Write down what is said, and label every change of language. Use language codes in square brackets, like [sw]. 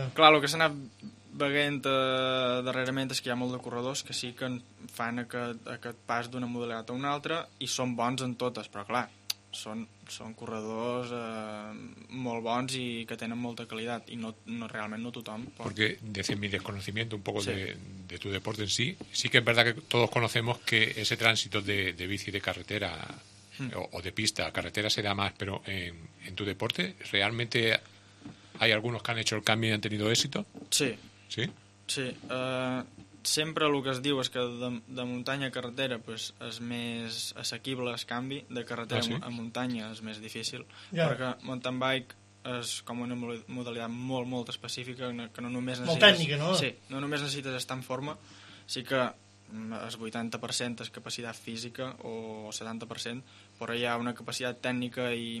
[ca] Clar, el que s'ha anat... veient darrerament és que hi ha molt de corredors que sí que fan aquest pas d'una modalitat a una altra i són bons en totes, però clar, són corredors molt bons i que tenen molta qualitat i no, realment no tothom pot. [es] Porque desde mi desconocimiento un poco de tu deporte en sí, sí que es verdad que todos conocemos que ese tránsito de bici de carretera o de pista a carretera se da más, pero en tu deporte realmente hay algunos que han hecho el cambio y han tenido éxito. Sí. Sí, sí. [ca] Sempre el que es diu és que de muntanya a carretera pues, és més assequible el canvi, de carretera a muntanya és més difícil, perquè mountain bike és com una modalitat molt, molt específica, que no només necessites, molt tècnica, no? Sí, no només necessites estar en forma, sí que el 80% és capacitat física o 70%, però hi ha una capacitat tècnica